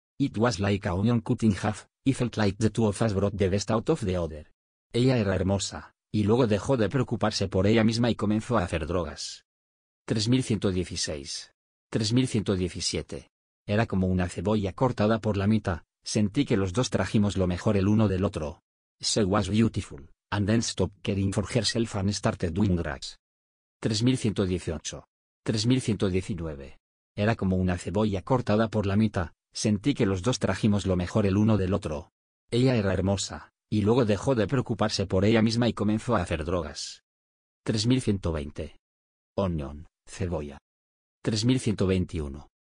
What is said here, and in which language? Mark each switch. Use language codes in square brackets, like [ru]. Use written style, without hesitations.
[en] It was like a onion cut in half, he felt like the two of us brought the best out of the other. [es] Ella era hermosa, y luego dejó de preocuparse por ella misma y comenzó a hacer drogas. 3116. 3117. Era como una cebolla cortada por la mitad, sentí que los dos trajimos lo mejor el uno del otro. [en] She was beautiful, and then stopped caring for herself and started doing drugs. 3118. 3119. [es] Era como una cebolla cortada por la mitad, sentí que los dos trajimos lo mejor el uno del otro. Ella era hermosa, y luego dejó de preocuparse por ella misma y comenzó a hacer drogas. [en] 3120. Onion, [es] cebolla. [en] 3121.